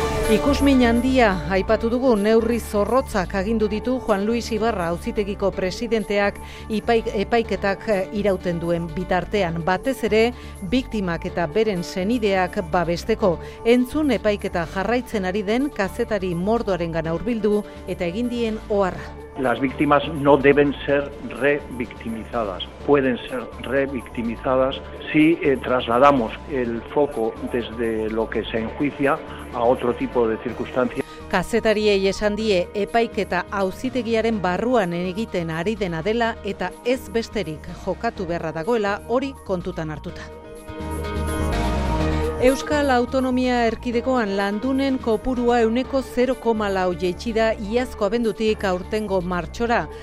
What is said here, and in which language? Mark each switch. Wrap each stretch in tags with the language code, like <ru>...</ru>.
<eu>Ikusmin handia aipatu dugu neurri zorrotzak agindu ditu Juan Luis Ibarra auzitegiko presidenteak epaiketak irauten duen bitartean, batez ere biktimak eta beren senideak babesteko. Entzun epaiketa jarraitzen ari den kazetari mordoarengana hurbildu eta egin dien oharra.</eu> <es>Las víctimas no deben ser revictimizadas. Pueden ser revictimizadas si trasladamos el foco desde lo que se enjuicia a otro tipo de circunstancia.</es> <eu>Kazetariei esan die epaiketa auzitegiaren barruan egiten ari dena dela eta ez besterik jokatu beharra dagoela, hori kontutan hartuta. Euskal Autonomia Erkidegoan landunen kopurua 0,4 jaitsi da iazko abendutik aurtengo martxora.</eu>